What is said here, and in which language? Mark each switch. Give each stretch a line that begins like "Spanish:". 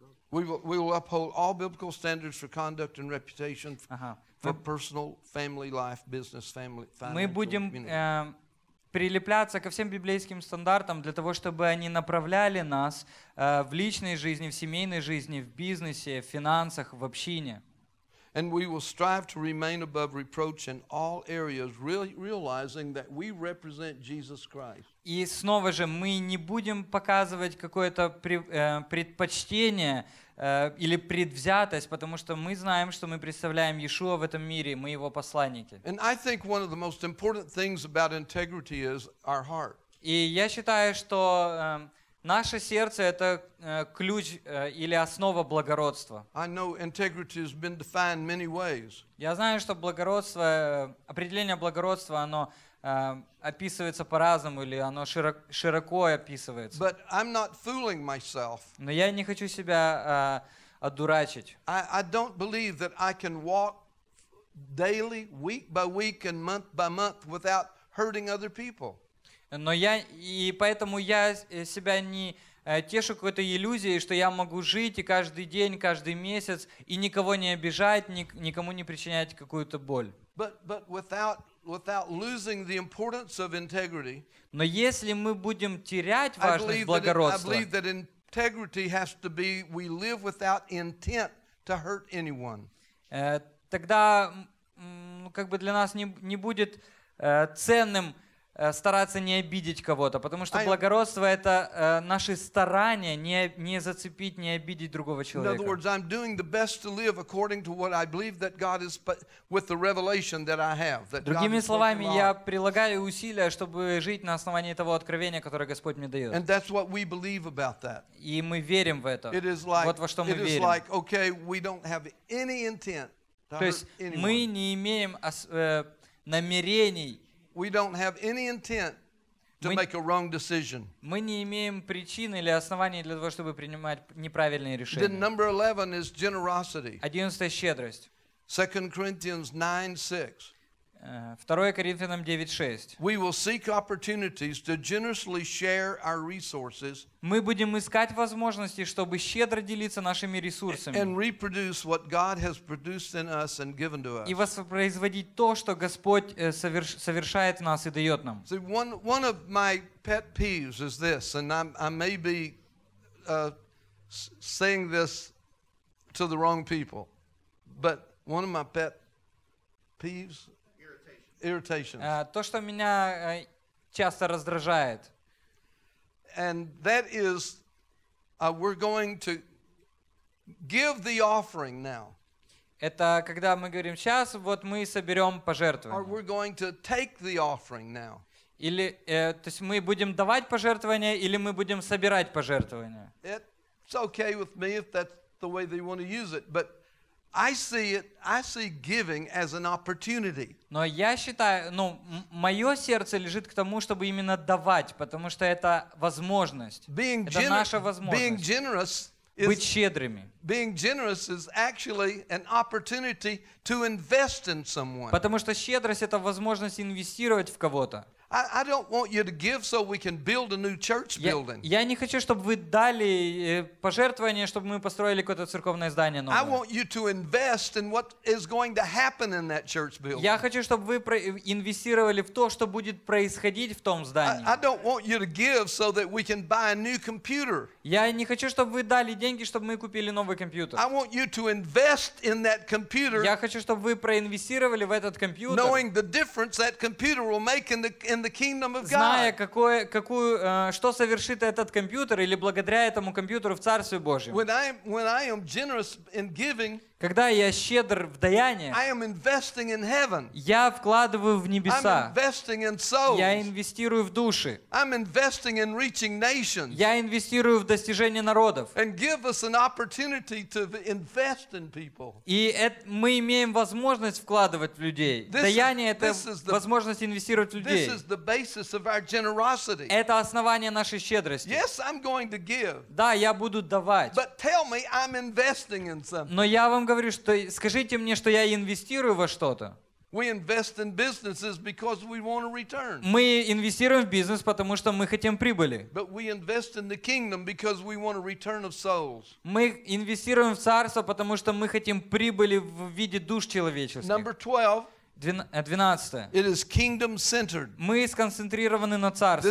English: We will uphold all biblical standards for conduct and reputation for personal, family life, business, family, financial.
Russian: Мы будем прилепляться ко всем библейским стандартам для того, чтобы они направляли нас в личной жизни, в семейной жизни, в бизнесе, в финансах, в общине.
English: And we will strive to remain above reproach in all areas, realizing that we represent Jesus Christ.
Russian: И снова же, мы не будем показывать какое-то предпочтение или предвзятость, потому что мы знаем, что мы представляем Иешуа в этом мире, мы его посланники.
English: And I think one of the most important things about integrity is our heart.
Russian: И я считаю, что наше сердце — это ключ или основа благородства.
English: I know integrity has been defined many ways.
Russian: Я знаю, что благородство, определение благородства, оно описывается по-разному или оно широко описывается.
English: But I'm not fooling myself.
Russian: Но я не хочу себя одурачить.
English: I don't believe that I can walk daily, week by week, and month by month without hurting other people.
Russian: Но я и поэтому я себя не тешу какой-то иллюзией, что я могу жить и каждый день, каждый месяц и никого не обижать, никому не причинять какую-то боль.
English: But without losing the importance of integrity,
Russian: но если мы будем терять важность благородства,
English: I believe that integrity has to be we live without intent to hurt anyone.
Russian: Тогда как бы для нас не будет ценным стараться не обидеть кого-то, потому что благородство — это наши старания не зацепить, не обидеть другого человека.
English: In other words, I'm doing the best to live according to what I believe that God is with the revelation that I have.
Russian: Другими словами, я прилагаю усилия, чтобы жить на основании того откровения, которое Господь мне дает.
English: And that's what we believe about that.
Russian: И мы верим в это.
English: It is like,
Russian: вот во что мы верим.
English: It is like, okay, we don't have any intent to hurt anyone.
Russian: То есть мы не имеем намерений.
English: We don't have any intent to make a wrong decision.
Russian: Мы не имеем причин или оснований для того, чтобы принимать неправильные решения.
English: Then number 11 is generosity.
Russian: 11 — щедрость.
English: 2 Corinthians 9:6.
Russian: 2 Коринфянам 9:6.
English: We will seek opportunities to generously share our resources.
Russian: Мы будем искать возможности, чтобы щедро делиться нашими ресурсами.
English: And reproduce what God has produced in us and given to us.
Russian: И воспроизводить то, что Господь совершает в нас и дает нам.
English: See, one of my pet peeves is this, and I may be saying this to the wrong people, but one of my pet peeves. Irritations.
Russian: То, что меня часто раздражает.
English: And that is, we're going to give the offering now.
Russian: Это когда мы говорим сейчас, вот мы соберем пожертвование.
English: Or we're going to take the offering now.
Russian: Или, то есть мы будем давать пожертвование, или мы будем собирать пожертвование.
English: It's okay with me if that's the way they want to use it, but I see giving as an opportunity.
Russian: Но я считаю, ну, мое сердце лежит к тому, чтобы именно давать, потому что это возможность.
English: Being
Russian: это наша возможность.
English: Being generous
Russian: быть щедрыми.
English: Being generous is actually an opportunity to invest in someone.
Russian: Потому что щедрость — это возможность инвестировать в кого-то.
English: I don't want you to give so we can build a new church building.
Russian: Я не хочу, чтобы вы дали пожертвование, чтобы мы построили какое-то церковное здание новое.
English: I want you to invest in what is going to happen in that church building.
Russian: Я хочу, чтобы вы инвестировали в то, что будет происходить в том здании.
English: I don't want you to give so that we can buy a new computer.
Russian: Я не хочу, чтобы вы дали деньги, чтобы мы купили новый компьютер.
English: I want you to invest in that computer.
Russian: Я хочу, чтобы вы проинвестировали в этот компьютер.
English: Knowing the difference that computer will make in the kingdom of God.
Russian: Зная, что совершит этот компьютер или благодаря этому компьютеру в Царстве Божьем.
English: When I am generous in giving,
Russian: когда я щедр в даянии,
English: I am investing in heaven.
Russian: Я вкладываю в небеса.
English: I'm investing in souls.
Russian: Я инвестирую в души.
English: I'm investing in reaching nations.
Russian: Я инвестирую в достижение народов.
English: And give us an opportunity to invest in people.
Russian: И мы имеем возможность вкладывать в людей. Даяние — это возможность инвестировать в людей.
English: This is the basis of our generosity.
Russian: Это основание нашей щедрости.
English: Yes, I'm going to give.
Russian: Да, я буду давать.
English: But tell me I'm investing in something.
Russian: Но я вам говорю, что скажите мне, что я инвестирую во что-то.
English: We invest in businesses because we want a return.
Russian: Мы инвестируем в бизнес, потому что мы хотим прибыли.
English: But we invest in the kingdom because we want a return of souls.
Russian: Мы инвестируем в царство, потому что мы хотим прибыли в виде душ человеческих.
English: Number 12.
Russian: 12.
English: It is kingdom centered.
Russian: Мы сконцентрированы на царстве.